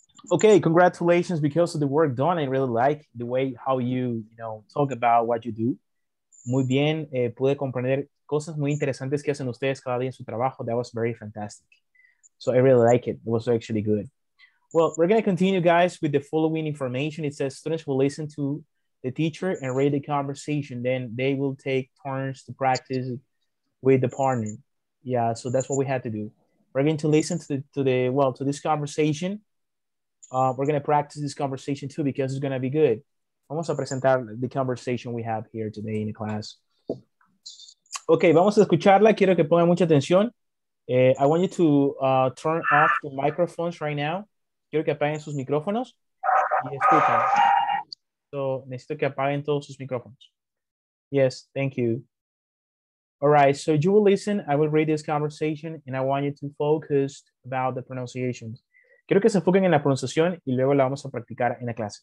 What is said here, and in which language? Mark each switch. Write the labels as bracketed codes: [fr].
[en] Okay, congratulations because of the work done. I really like the way how you talk about what you do. [es] Muy bien, pude comprender cosas muy interesantes que hacen ustedes cada día en su trabajo. [en] That was very fantastic. So I really like it. It was actually good. Well, we're going to continue, guys, with the following information. It says students will listen to the teacher and read the conversation. Then they will take turns to practice with the partner. Yeah, so that's what we had to do. We're going to listen to this conversation. We're going to practice this conversation too because it's going to be good. [es] Vamos a presentar [en] the conversation we have here today in the class. Okay, [es] vamos a escucharla. Quiero que pongan mucha atención. [en] I want you to turn off the microphones right now. [es] Quiero que apaguen sus micrófonos y escuchen. So, necesito que apaguen todos sus micrófonos. [en] Yes, thank you. All right, so you will listen. I will read this conversation and I want you to focus about the pronunciations. [es] Quiero que se enfoquen en la pronunciación y luego la vamos a practicar en la clase.